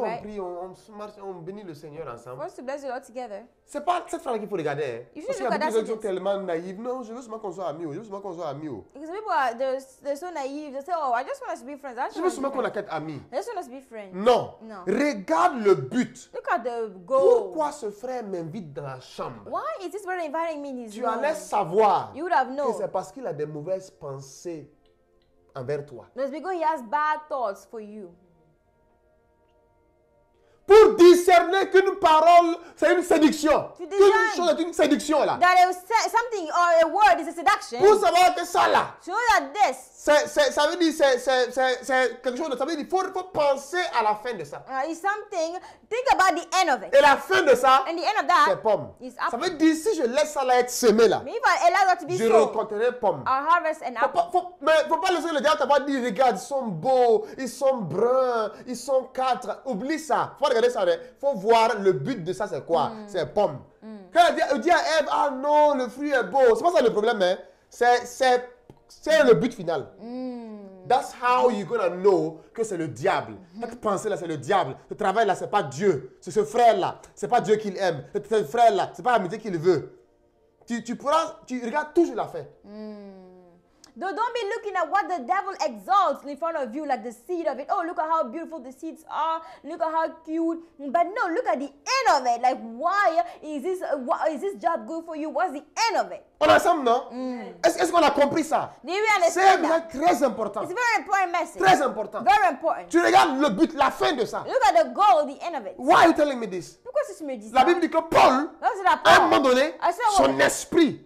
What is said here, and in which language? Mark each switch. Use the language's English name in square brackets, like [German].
[French] Pour qu'on prie, on marche, on bénit le Seigneur ensemble. [English] For us to bless the Lord together. [French] C'est pas cette phrase qu'il faut regarder, hein? [English] You should [French] parce [English] look at that. [French] Parce qu'il y a beaucoup de gens tellement naïves. Non, je veux seulement qu'on soit amis. Je veux seulement qu'on soit amis. [English] Because people are they're so naïves. They say, oh, I just want us to be friends. [French] Je veux seulement qu'on ait amis. [English] I just want us to be friends. [French] Non. [English] No. [French] Regarde le but. [English] Look at the goal. [French] Pourquoi ce frère m'invite dans la chambre? [English] Why is this brother inviting me in his [French] room? Tu allais savoir. [English] You would have known. [French] Que c'est parce qu'il a des mauvaises pensées. Envers toi. [English] No, it's because he has bad thoughts for you. [French] Pour discerner qu'une parole, c'est une séduction. Qu'une chose est une séduction là. [English] That something or a word is a seduction. [French] Pour savoir que ça là. [English] To know that this. [French] Ça veut dire c'est quelque chose. Ça veut dire faut penser à la fin de ça. [English] It's something. Think about the end of it. [French] Et la fin de ça. [English] And the end of that. [French] C'est pomme. [English] Is apple. [French] Ça veut dire si je laisse ça là être semé là. [English] Mais if I allow that to be [French] sown. Je récolterai pomme. [English] I'll harvest an apple. [French] Faut pas laisser le diable t'avoir dit regarde ils sont beaux, ils sont bruns, ils sont quatre. Oublie ça. Regardez ça, faut voir le but de ça, c'est quoi? Mm. C'est pomme. Mm. Quand elle dit à Eve, ah non, le fruit est beau. C'est pas ça le problème, hein? C'est le but final. Mm. [English] That's how you're gonna know [French] que c'est le diable. Mm-hmm. Cette pensée là, c'est le diable. Ce travail là, c'est pas Dieu. C'est ce frère là, c'est pas Dieu qu'il aime. C'est ce frère là, c'est pas l'amitié qu'il veut. Tu regardes toujours la fin. Mm. [English] So don't be looking at what the devil exalts in front of you, like the seed of it. Oh, look at how beautiful the seeds are. Look at how cute. But no, look at the end of it. Like, why is this? Why is this job good for you? What's the end of it? [French] On ensemble, non? Est-ce qu'on a compris ça? C'est très important. [English] It's a very important message. [French] Très important. [English] Very important. [French] Tu regardes le but, la fin de ça. [English] Look at the goal, the end of it. Why are you telling me this? [French] Pourquoi tu me dis ça? La Bible dit que Paul, à un moment donné, son esprit,